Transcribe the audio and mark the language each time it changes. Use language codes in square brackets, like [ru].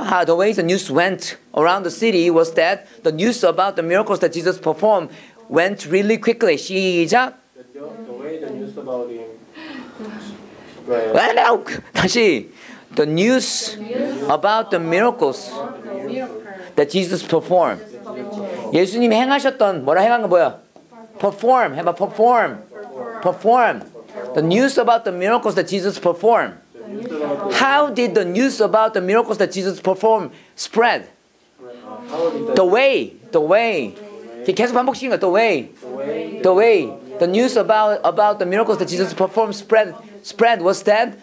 [en] How the way the news went around the city was that the news about the miracles that Jesus performed went really quickly. [ko] 시작. [en] The way the news about him. Well, no. [ko] 다시 [en] the news about the miracles that Jesus performed. [ko] 예수님이 행하셨던 뭐라 행한 거 뭐야? [en] Perform. [ko] 해봐 [en] perform. Perform. The news about the miracles that Jesus performed. How did the news about the miracles that Jesus performed spread? The way. [ko] 계속 반복시키는 거야. [en] The news about the miracles that Jesus performed spread. What's that?